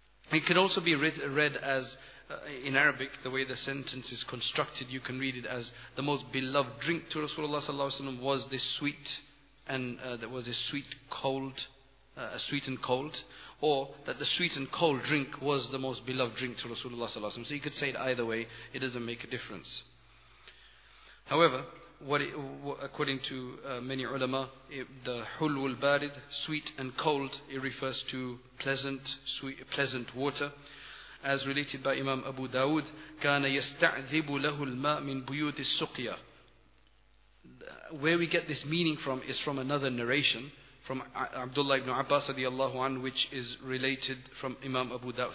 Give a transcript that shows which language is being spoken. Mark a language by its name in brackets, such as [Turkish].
[English] It can also be read as, in Arabic, the way the sentence is constructed, you can read it as the most beloved drink to Rasulullah sallallahu alaihi wasallam was this sweet, and that was a sweet cold, a sweet and cold, or that the sweet and cold drink was the most beloved drink to Rasulullah sallallahu alaihi wasallam. So you could say it either way; it doesn't make a difference. However, according to many ulama, the hulw al-barid, sweet and cold, it refers to pleasant water. [Arabic] As related by Imam Abu Dawood, كان يستعذب له الماء من بيوت السقيا. [English] Where we get this meaning from is from another narration from Abdullah ibn Abbas radiallahu an, which is related from Imam Abu Dawood.